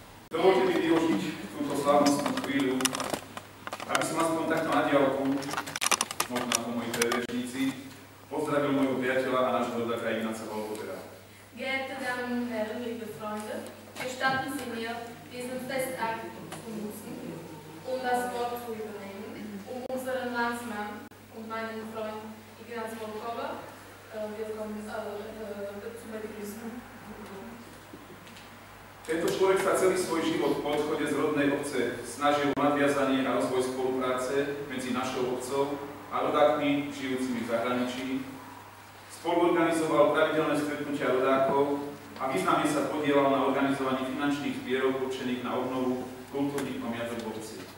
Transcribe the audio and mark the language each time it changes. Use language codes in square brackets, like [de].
[sk] Dovolte mi využiť túto slávnostnú chvíľu, aby som aspoň takto na diaľku, možno ako moji predrečníci, pozdravil môjho priateľa a nášho rodáka Ignáca Holubera. [de] Geehrte Damen und Herren, liebe Freunde, gestatten Sie mir, diesen Festakt zu nutzen, um das Wort zu übernehmen, um unseren Landsmann und meinen Freund Ignaz Volkova willkommen zu begrüßen. [sk] Tento človek sa celý svoj život po odchode z rodnej obce snažil o nadviazanie a rozvoj spolupráce medzi našou obcou a rodákmi žijúcimi v zahraničí. Spoluorganizoval pravidelné stretnutia rodákov a významne sa podielal na organizovanie finančných zbierok určených na obnovu kultúrnych pamiatok v obci.